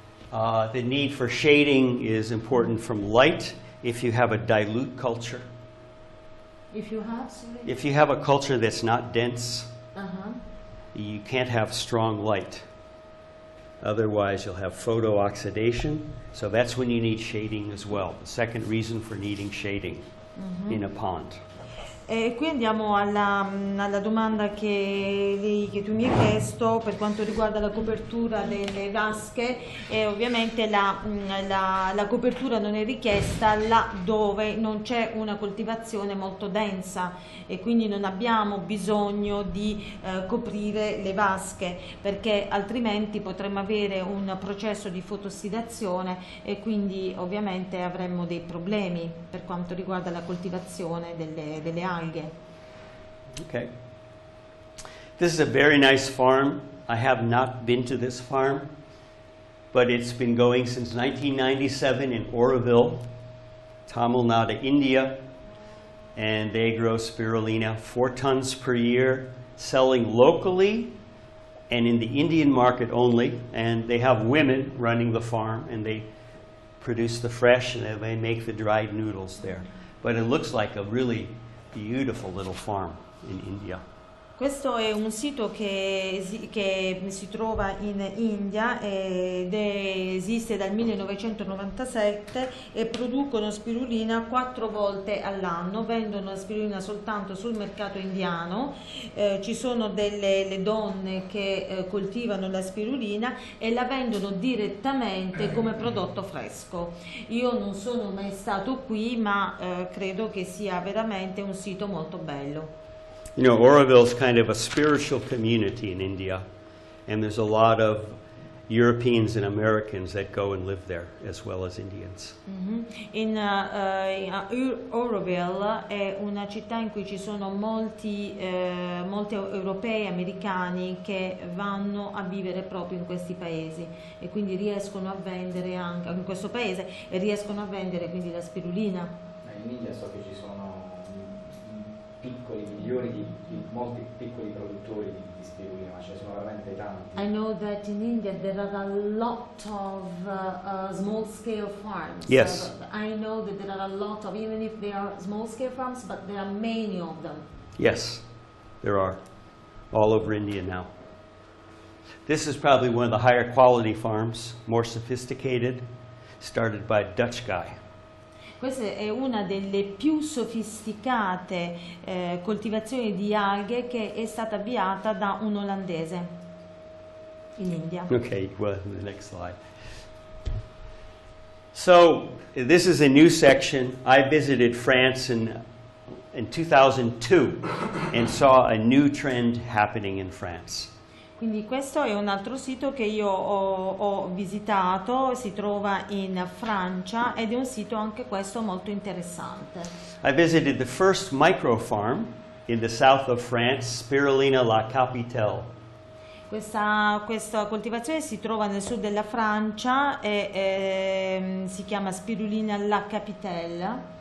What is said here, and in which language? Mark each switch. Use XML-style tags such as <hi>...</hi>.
<en>The need for shading is important from light if you have a dilute culture. If you have? Sorry. If you have a culture that's not dense. Uh-huh. You can't have strong light. Otherwise, you'll have photo-oxidation. So that's when you need shading as well. The second reason for needing shading mm-hmm. in a pond.</en> <it>E qui andiamo alla domanda che tu mi hai chiesto per quanto riguarda la copertura delle vasche. E ovviamente la copertura non è richiesta laddove non c'è una coltivazione molto densa e quindi non abbiamo bisogno di coprire le vasche, perché altrimenti potremmo avere un processo di fotossidazione e quindi ovviamente avremmo dei problemi per quanto riguarda la coltivazione delle alghe.</it> <en>Okay. This is a very nice farm. I have not been to this farm, but it's been going since 1997 in Oroville, Tamil Nadu, India, and they grow spirulina 4 tons per year, selling locally and in the Indian market only, and they have women running the farm, and they produce the fresh, and they make the dried noodles there. But it looks like a really beautiful little farm in India.</en> <it>Questo è un sito che si trova in India ed esiste dal 1997 e producono spirulina 4 volte all'anno, vendono spirulina soltanto sul mercato indiano, ci sono delle donne che coltivano la spirulina e la vendono direttamente come prodotto fresco. Io non sono mai stato qui, ma credo che sia veramente un sito molto bello.</it> <en>You know, Oroville is kind of a spiritual community in India, and there's a lot of Europeans and Americans that go and live there, as well as Indians. Mm-hmm.</en> <it>Oroville è una città in cui ci sono molti europei e americani che vanno a vivere proprio in questi paesi e quindi riescono a vendere anche in questo paese e riescono a vendere quindi la spirulina. In India so che ci sono piccoli, migliori di molti piccoli produttori di spirulina, ma ce ne sono veramente tanti.</it> <en>I know that in India there are a lot of small scale farms. Yes. I know that there are a lot of, even if they are small scale farms, but there are many of them. Yes, there are. All over India now. This is probably one of the higher quality farms, more sophisticated, started by a Dutch guy.</en> <it>Questa è una delle più sofisticate coltivazioni di alghe che è stata avviata da un olandese in India.</it> <en>Okay, well, the next slide. So, this is a new section. I visited France in 2002 and saw a new trend happening in France.</en> <it>Quindi questo è un altro sito che io ho visitato, si trova in Francia ed è un sito anche questo molto interessante.</it> <en>I visited the first micro farm in the south of France, Spirulina La Capitelle.</en> <it>Questa coltivazione si trova nel sud della Francia e si chiama Spirulina La Capitelle.</it>